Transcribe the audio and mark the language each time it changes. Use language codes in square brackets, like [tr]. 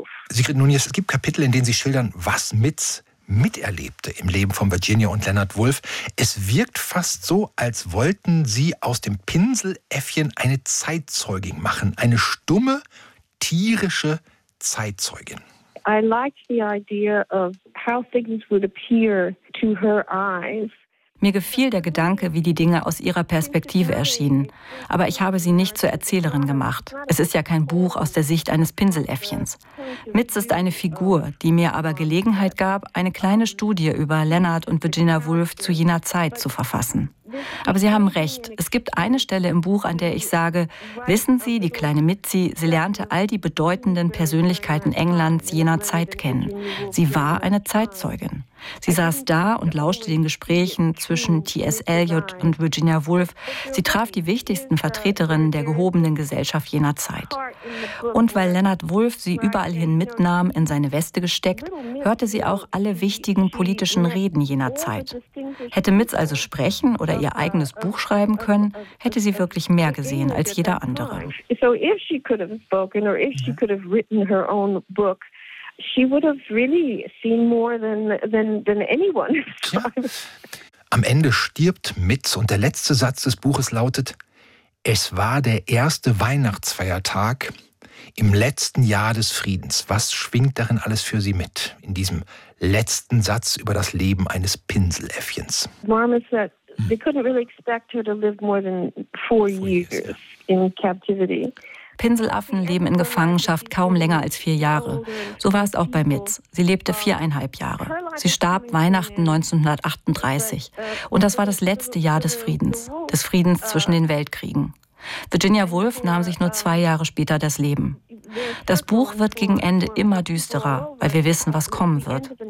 [de] Sigrid Nunez, es gibt Kapitel, in denen Sie schildern, was Mitz miterlebte im Leben von Virginia und Leonard Woolf. Es wirkt fast so, als wollten sie aus dem Pinseläffchen eine Zeitzeugin machen, eine stumme, tierische Zeitzeugin. [en] I liked the idea of how things would appear to her eyes. [de] Mir gefiel der Gedanke, wie die Dinge aus ihrer Perspektive erschienen. Aber ich habe sie nicht zur Erzählerin gemacht. Es ist ja kein Buch aus der Sicht eines Pinseläffchens. Mitz ist eine Figur, die mir aber Gelegenheit gab, eine kleine Studie über Leonard und Virginia Woolf zu jener Zeit zu verfassen. Aber Sie haben recht. Es gibt eine Stelle im Buch, an der ich sage, wissen Sie, die kleine Mitzi, sie lernte all die bedeutenden Persönlichkeiten Englands jener Zeit kennen. Sie war eine Zeitzeugin. Sie saß da und lauschte den Gesprächen zwischen T.S. Eliot und Virginia Woolf. Sie traf die wichtigsten Vertreterinnen der gehobenen Gesellschaft jener Zeit. Und weil Leonard Woolf sie überall hin mitnahm, in seine Weste gesteckt, hörte sie auch alle wichtigen politischen Reden jener Zeit. Hätte Mitz also sprechen oder ihr eigenes Buch schreiben können, hätte sie wirklich mehr gesehen als jeder andere. [en] So if she could have spoken or if she could have written her own book, she would have really seen more than anyone. [de] Am Ende stirbt Mitz und der letzte Satz des Buches lautet: Es war der erste Weihnachtsfeiertag im letzten Jahr des Friedens. Was schwingt darin alles für Sie mit, in diesem letzten Satz über das Leben eines Pinseläffchens? [en] Mom has said they couldn't really expect her to live more than four years in captivity. [de] Pinselaffen leben in Gefangenschaft kaum länger als 4 Jahre. So war es auch bei Mitz. Sie lebte 4,5 Jahre. Sie starb Weihnachten 1938. Und das war das letzte Jahr des Friedens zwischen den Weltkriegen. Virginia Woolf nahm sich nur 2 Jahre später das Leben. Das Buch wird gegen Ende immer düsterer, weil wir wissen, was kommen wird.